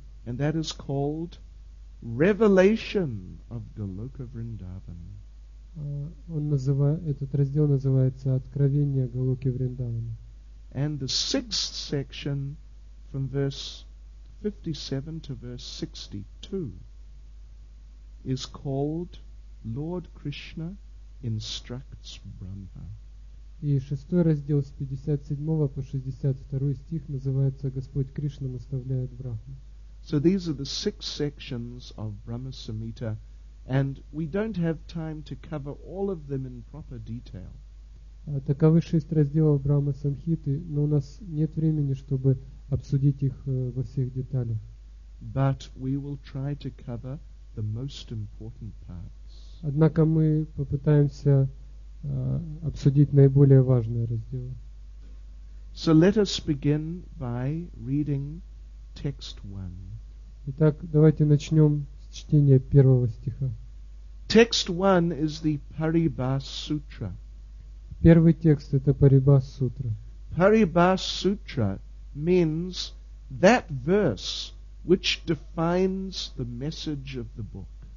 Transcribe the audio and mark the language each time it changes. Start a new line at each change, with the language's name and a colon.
English: And that is called Revelation of Goloka Vrindavan.
Russian: Этот раздел называется «Откровение Голоки Вриндавана».
English: And the sixth section from verse 57 to verse 62 is called Lord Krishna Instructs Brahma.
Russian: И шестой раздел с 57 по 62 стих называется «Господь Кришна наставляет Брахму».
English: So these are the six sections of Brahma Samhita, and we don't have time to cover all of them in proper detail.
Russian: Таковы шесть разделов Брахма Самхиты, но у нас нет времени, чтобы обсудить их во всех деталях.
English: But we will try to cover the most important parts.
Russian: Однако мы попытаемся обсудить наиболее важные разделы.
English: So let us begin by reading text 1.
Russian: Итак, давайте начнем с чтения первого стиха.
English: Text 1 is the Parībhāsūtra.
Russian: Первый текст — это Парибхасутра.
English: Parībhāsūtra means that verse which defines the message of the book.